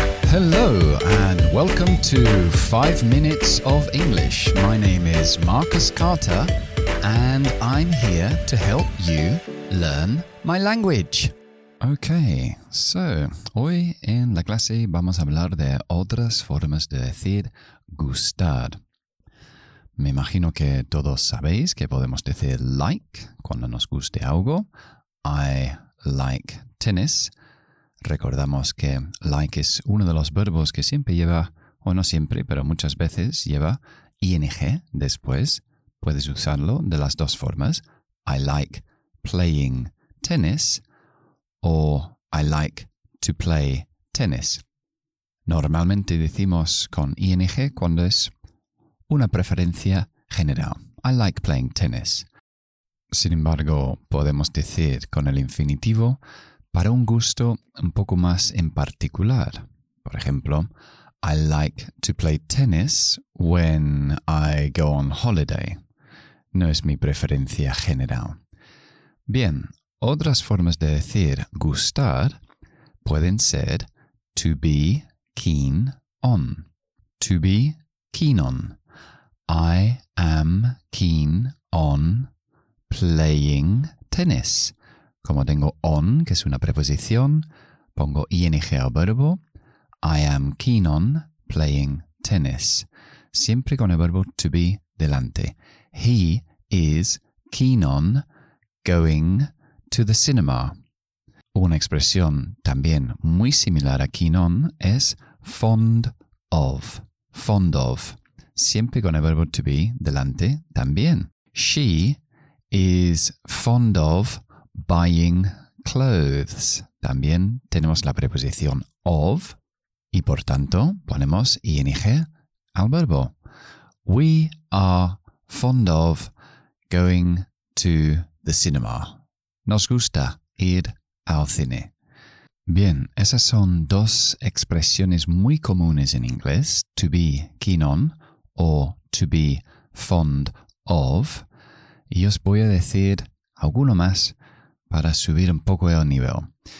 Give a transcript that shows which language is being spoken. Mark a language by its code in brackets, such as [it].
[en] Hello and welcome to 5 Minutes of English. My name is Marcus Carter and I'm here to help you learn my language. [es] Ok, so, hoy en la clase vamos a hablar de otras formas de decir gustar. Me imagino que todos sabéis que podemos decir like cuando nos guste algo. [en] I like tennis. [es] Recordamos que like es uno de los verbos que siempre lleva, o no siempre, pero muchas veces lleva ing después. Puedes usarlo de las dos formas. [en] I like playing tennis o I like to play tennis. Normalmente decimos con ing cuando es una preferencia general. I like playing tennis. [es] Sin embargo, podemos decir con el infinitivo para un gusto un poco más en particular. Por ejemplo, [en] I like to play tennis when I go on holiday. [es] No es mi preferencia general. Bien, otras formas de decir gustar pueden ser to be keen on. [en] To be keen on. I am keen on playing tennis. [es] Como tengo on, que es una preposición, pongo ing al verbo. [en] I am keen on playing tennis. [es] Siempre con el verbo [en] to be delante. He is keen on going to the cinema. [es] Una expresión también muy similar a keen on es fond of. Fond of. Siempre con el verbo to be delante también. [en] She is fond of buying clothes. [es] También tenemos la preposición of y por tanto ponemos ing al verbo. [en] We are fond of going to the cinema. [es] Nos gusta ir al cine. Bien, esas son dos expresiones muy comunes en inglés, to be keen on o to be fond of. Y os voy a decir alguno más para subir un poco el nivel.